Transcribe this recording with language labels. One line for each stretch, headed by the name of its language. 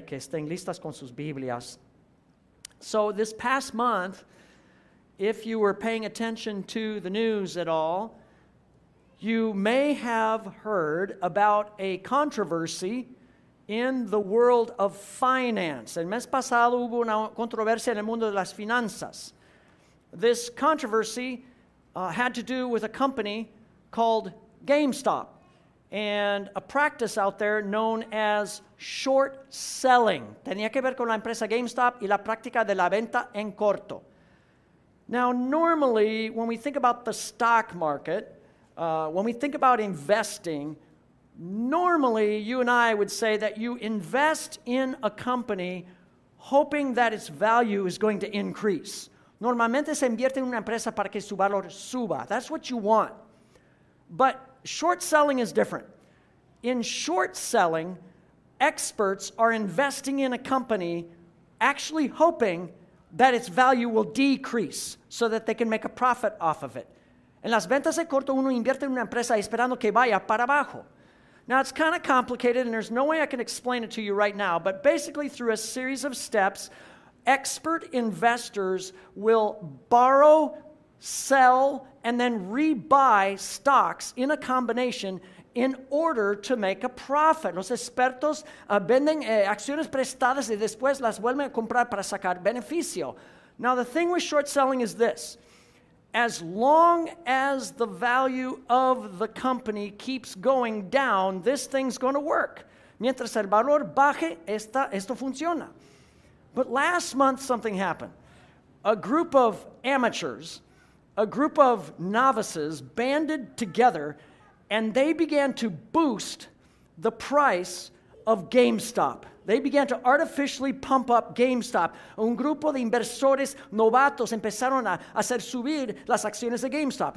Spanish: Que estén listas con sus Biblias.
English: So this past month, if you were paying attention to the news at all, you may have heard about a controversy in the world of finance.
Spanish: El mes pasado hubo una controversia en el mundo de las finanzas.
English: This controversy had to do with a company called GameStop and a practice out there known as short selling.
Spanish: Tenía que ver con la empresa GameStop y la práctica de la venta en corto.
English: Now, normally, when we think about the stock market, when we think about investing, normally you and I would say that you invest in a company hoping that its value is going to increase.
Spanish: Normalmente se invierte en una empresa para que su valor suba.
English: That's what you want. But short selling is different. In short selling, experts are investing in a company actually hoping that its value will decrease so that they can make a profit off of it.
Spanish: En las ventas de corto, uno invierte en una empresa esperando que vaya para abajo.
English: Now, it's kind of complicated, and there's no way I can explain it to you right now, but basically through a series of steps, expert investors will borrow, sell, and then rebuy stocks in a combination in order to make a profit.
Spanish: Los expertos venden acciones prestadas y después las vuelven a comprar para sacar beneficio.
English: Now, the thing with short selling is this. As long as the value of the company keeps going down, this thing's going to work.
Spanish: Mientras el valor baje, esto funciona.
English: But last month, something happened. A group of amateurs, a group of novices banded together, and they began to boost the price of GameStop. They began to artificially pump up GameStop.
Spanish: Un grupo de inversores novatos empezaron a hacer subir las acciones de GameStop.